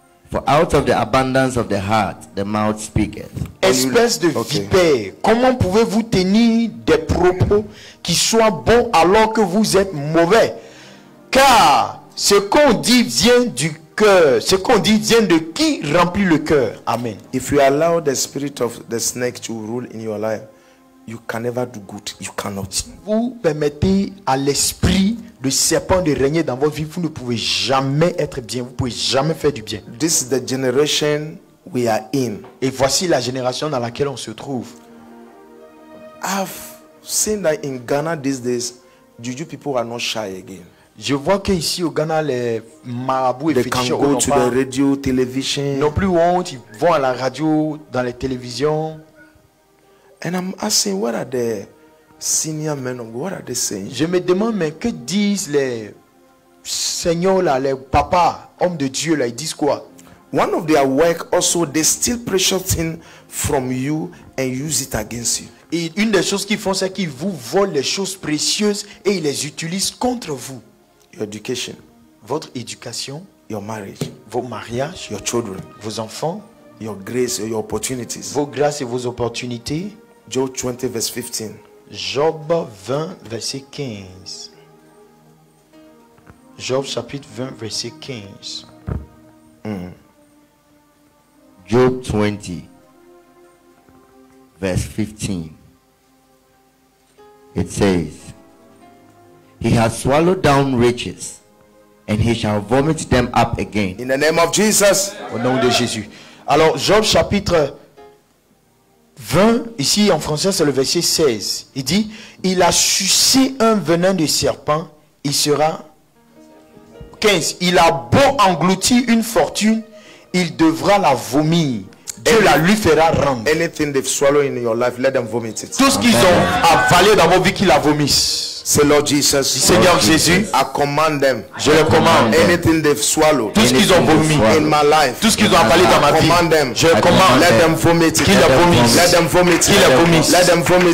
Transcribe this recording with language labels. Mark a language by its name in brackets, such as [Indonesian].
[English] For out of the abundance of the heart, the mouth speaketh. [French] Espèce de vipère, comment pouvez-vous tenir des propos qui soient bons alors que vous êtes mauvais? Car ce qu'on dit vient du cœur. Ce qu'on dit vient de qui remplit le cœur. Amen. [English] If you allow the spirit of the snake to rule in your life, you can never do good. You cannot. [French] Si vous permettez à l'esprit le serpent de régner dans votre vie, vous ne pouvez jamais être bien. Vous ne pouvez jamais faire du bien. [English] This is the generation we are in. [French] Et voici la génération dans laquelle on se trouve. [English] I've seen that in Ghana these days, Juju people are not shy again. [French] Je vois qu'ici au Ghana, les marabouts et fétichistes n'ont plus honte. [English] They can go to the radio, television. [French] N'ont plus honte. Ils vont à la radio, dans les télévisions. [English] And I'm asking, what are the senior men of God, what are they saying? [French] Je me demande, mais que disent les seigneurs là, les papas, hommes de Dieu là, ils disent quoi? [English] One of their work also, they steal precious things from you and use it against you. [French] Et une des choses qu'ils font, c'est qu'ils vous volent les choses précieuses et ils les utilisent contre vous. [English] Your education. [French] Votre éducation. [English] Your marriage. [French] Vos mariages. [English] Your children. [French] Vos enfants. [English] Your grace and your opportunities. [French] Vos grâces et vos opportunités. [English] Job 20, verse 15. [French] Job 20, verset 15. Job chapitre 20, verset 15. [English] Job 20, verse 15. It says, he has swallowed down riches, and he shall vomit them up again. In the name of Jesus. [French] Au nom de Jésus. Alors, Job chapitre 20, ici en français, c'est le verset 16. Il dit, il a sucé un venin de serpent, il sera 15. Il a beau engloutir une fortune, il devra la vomir. Dieu la lui fera rendre. [English] Anything they've swallowed in your life, let them vomit it. [French] Tout ce qu'ils ont avalé dans vos vies, qu'ils la vomissent. [English] Say, Lord Jesus, [French] Seigneur Jésus, [English] I command them. [French] Je le commande. [English] Anything they've swallowed, [French] tout ce qu'ils ont vomi [English] in my life, [French] tout ce qu'ils ont avalé dans ma vie, [English] I command them. [French] Je le commande. [English] Let them vomit. [French] Qu'ils la vomissent. [English] Let them vomit. [French] Qu'ils la vomissent. [English] Let them vomit.